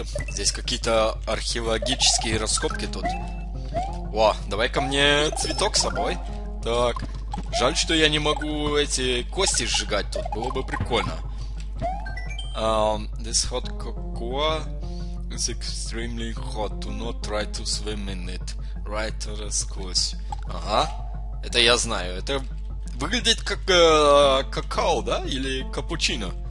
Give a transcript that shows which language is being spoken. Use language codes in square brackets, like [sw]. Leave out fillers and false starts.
[ru] Здесь какие-то археологические раскопки тут. О, давай-ка мне цветок с собой. Так, жаль, что я не могу эти кости сжигать тут, было бы прикольно. [en] This hot cocoa is extremely hot, do not try to swim in it. [ru] Right, расквозь. Ага, это я знаю. Это выглядит как какао, да? Или капучино.